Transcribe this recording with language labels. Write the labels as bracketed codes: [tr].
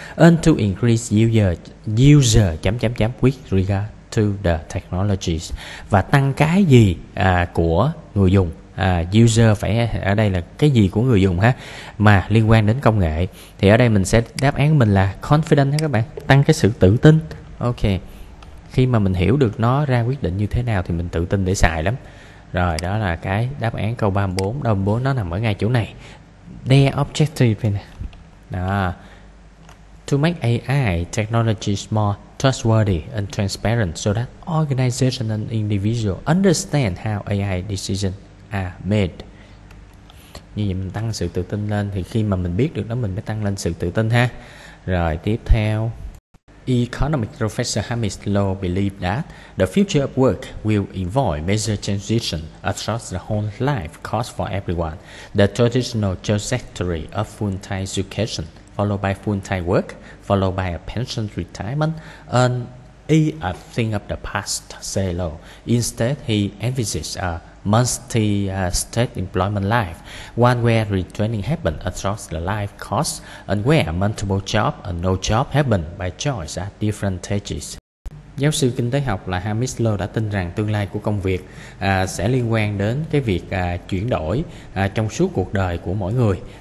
[en] And to increase user with regard to the technologies, [vi] và tăng cái gì của người dùng, user phải ở đây là cái gì của người dùng ha, mà liên quan đến công nghệ. Thì ở đây mình sẽ đáp án mình là confident ha các bạn, tăng cái sự tự tin. Ok, khi mà mình hiểu được nó ra quyết định như thế nào thì mình tự tin để xài lắm. Rồi đó là cái đáp án câu 34. Đồng bố nó nằm ở ngay chỗ này. [en] Their objective [vi] này. Đó. [en] To make AI technology more trustworthy and transparent so that organizations and individuals understand how AI decisions are made. [vi] Như vậy mình tăng sự tự tin lên, thì khi mà mình biết được đó mình mới tăng lên sự tự tin ha. Rồi tiếp theo. [en] Economic professor Hamid Low believed that the future of work will involve major transition across the whole life course for everyone. The traditional trajectory of full-time education, followed by full-time work, followed by a pension retirement, and is a thing of the past, said Low. Instead, he envisaged a multi-state employment life, one where retraining happens across the life course and where multiple job and no job happen by choice at different stages. [vi] Giáo sư kinh tế học là Hamid Low đã tin rằng tương lai của công việc sẽ liên quan đến cái việc chuyển đổi trong suốt cuộc đời của mỗi người.